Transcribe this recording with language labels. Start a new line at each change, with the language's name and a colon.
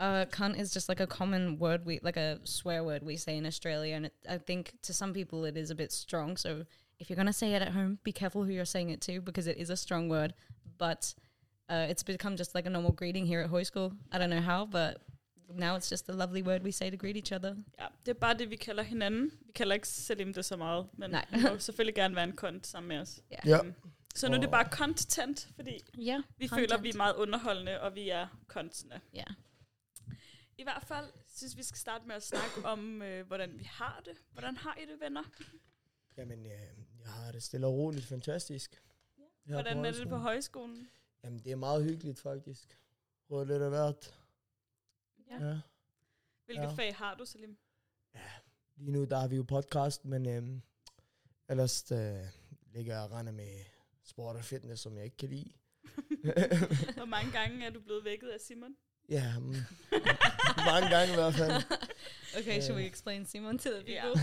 English: Cunt is just like a common word, like a swear word we say in Australia. And I think to some people it is a bit strong. So if you're going to say it at home, be careful who you're saying it to, because it is a strong word. But it's become just like a normal greeting here at high school. I don't know how, but now it's just a lovely word we say to greet each other.
Danish: Ja, det er bare det, vi kalder hinanden. Vi kalder ikke Salim det så meget, men han vil selvfølgelig gerne være en cunt sammen med os.
English: Yeah. Yeah.
Danish: Så nu er det bare content, fordi
English: yeah,
Danish: vi content. Føler, vi er meget underholdende, og vi er cuntsende. Ja. Yeah. I hvert fald synes vi skal starte med at snakke om, hvordan vi har det. Hvordan har I det, venner? Jamen, jeg har det stille og roligt fantastisk. Ja. Hvordan er det på højskolen? Jamen, det er meget hyggeligt, faktisk. Prøvet lidt af hvert. Ja. Ja. Hvilke fag har du, Salim? Ja, lige nu der har vi jo podcast, men ellers ligger jeg rende med sport og fitness, som jeg ikke kan lide. Hvor mange gange er du blevet vækket af Simon? Ja, mange gange i hvert fald.
English: Okay, should we explain Simon to the people?